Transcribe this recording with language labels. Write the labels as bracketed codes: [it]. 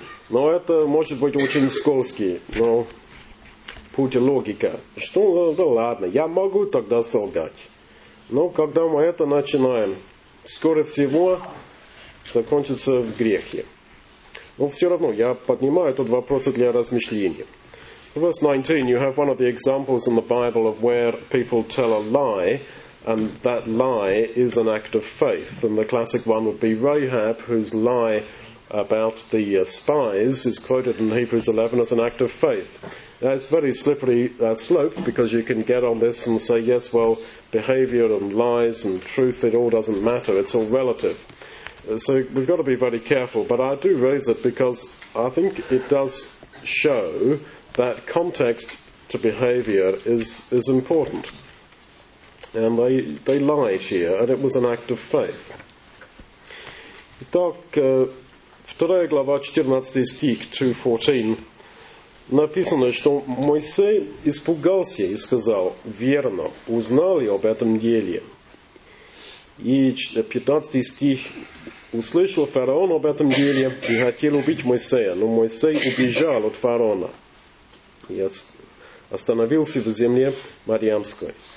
[ru] Но это может быть очень скользкий, но путь логика. Что, да ладно, я могу тогда солгать. Но когда мы это начинаем, скорее всего... закончится в грехе. Но все равно, я поднимаю тут вопросы для размышления. [en] So verse 19, you have one of the examples in the Bible of where people tell a lie, and that lie is an act of faith. And the classic one would be Rahab, whose lie about the spies is quoted in Hebrews 11 as an act of faith. Now, it's a very slippery slope, because you can get on this and say, yes, well, behavior and lies and truth, it all doesn't matter. It's all relative. So we've got to be very careful. But I do raise it because I think it does show that context to behavior is important. And they lied here, and it was an act of faith. [ru] Итак, 2 глава, 14 стих, 2.14, написано, что Моисей испугался и сказал, верно, узнал я об этом деле. И 15 стих, услышал фараон об этом деле и хотел убить Моисея, но Моисей убежал от фараона и остановился в земле Мариамской.